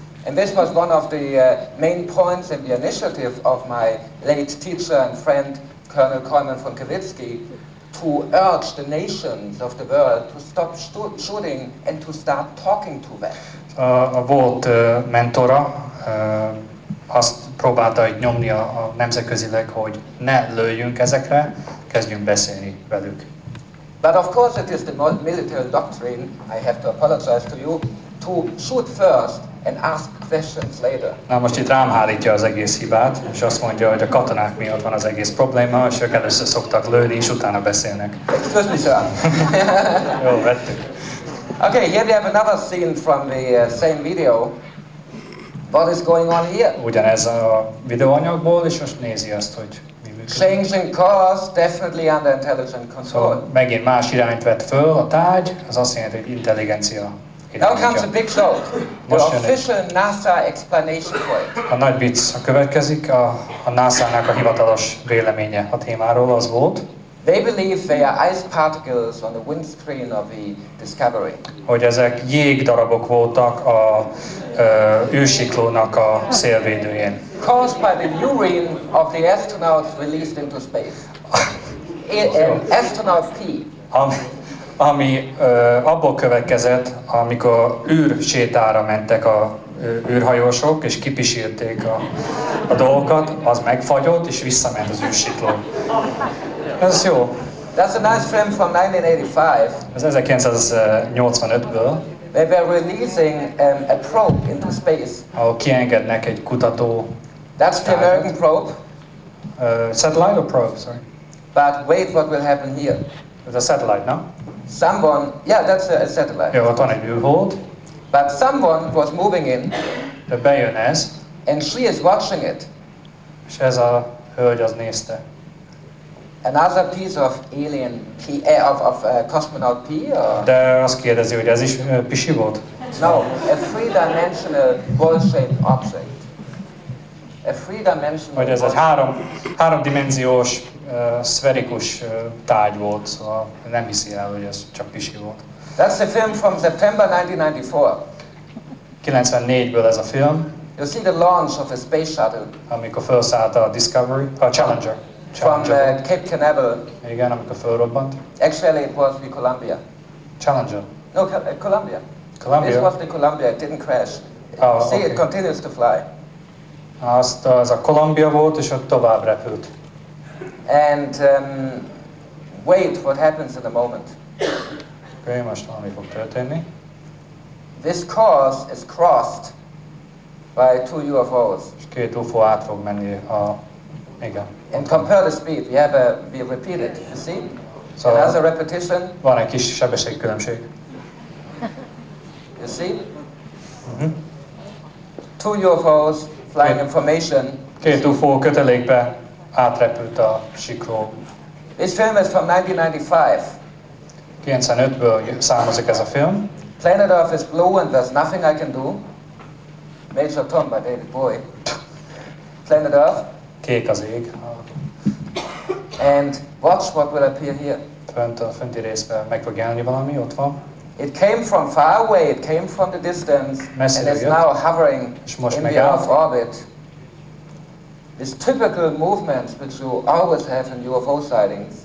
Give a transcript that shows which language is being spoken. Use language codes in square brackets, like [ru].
[en] And this was one of the main points in the initiative of my late teacher and friend Colonel Coleman von Kavitsky, to urge the nations of the world to stop shooting and to start talking to them. [hu] A volt mentora azt próbálta egy nyomni a nemzetközileg, hogy ne lőjünk ezekre, kezdjünk beszélni velük. [en] But of course it is the military doctrine, I have to apologize to you, to shoot first and ask questions later. [hu] Na most itt rám hárítja az egész hibát, és azt mondja, hogy a katonák miatt van az egész probléma, és ők először szoktak lőni, és utána beszélnek. [en] Excuse me, sir. [hu] Jó, vettük. [en] Okay, here we have another scene from the same video. What is going on here? [hu] Ugyanez a videóanyagból, és most nézi azt, hogy mi működik. [en] Changing course, definitely under intelligent control. [hu] So, megint más irányt vett föl a tárgy, az azt jelenti, hogy intelligencia. [en] Now comes a big joke. The official NASA explanation for it. [hu] A nagy vicc következik, a NASA-nak a hivatalos véleménye a témáról az volt. [en] They believe they are ice particles on the windscreen of the Discovery. [hu] Hogy ezek jégdarabok voltak a űrsiklónak a szélvédőjén. [en] Caused by the urine of the astronauts released into space. An astronaut pee. [hu] Ami abból következett, amikor űrsétára mentek a űrhajósok, és kipisírték a dolgokat, az megfagyott, és visszament az űrsikló. Ez jó. [en] That's a nice film from 1985. [hu] Ez 1985-ből. [en] They were releasing a probe into space. [hu] Ahol kiengednek egy kutató. [en] That's the American probe. Satellite or probe, sorry. But wait, what will happen here? [hu] Ez a satellite, no? [en] Someone, yeah, that's a satellite. [hu] Ja, ott van egy műhold. [en] But someone was moving in. [hu] De bejön ez. [en] And she is watching it. [hu] És ez a hölgy az nézte. [en] Another piece of alien pee, cosmonaut pee, or? [hu] De azt kérdezi, hogy ez is pisi volt? [en] No, a three-dimensional ball-shaped object. A three-dimensional. [hu] Hogy ez egy háromdimenziós szferikus tárgy volt, szóval nem hiszi el, hogy ez csak pisi volt. [en] That's a film from September 1994. [hu] 94-ből ez a film. [en] You see the launch of a space shuttle. [hu] Amikor felszállt a Discovery, a Challenger. [en] From Cape Canaveral. [hu] Igen, amikor felrobbant. [en] Actually it was the Columbia. Challenger. No, Columbia. Columbia. This was the Columbia, it didn't crash. Oh, see, okay. It continues to fly. [hu] Az a Columbia volt, és ott tovább repült. [en] And wait, what happens in a moment? [hu] Okay, most valami fog történni. [en] This course is crossed by two UFOs. [hu] És két UFO át fog menni a... Igen. [en] And compare the speed, we repeat it, you see? So and as a repetition... [hu] Van egy kis sebességkülönbség. [en] You see? Mm-hmm. two UFOs flying in formation. [hu] Két UFO kötelékbe átrepült a sikló. [en] This film is from 1995. [hu] 95-ből származik ez a film. [en] Planet Earth is blue and there's nothing I can do. Major Tom by David Bowie. Planet Earth. [hu] Kék az ég. [en] And watch what will appear here. [hu] Fönt a fönti részben meg fog jelenni valami, ott van. [en] It came from far away, it came from the distance, [hu] messzire [en] and is [hu] jött, [en] now hovering in the Earth orbit. This typical movement which you always have in UFO sightings.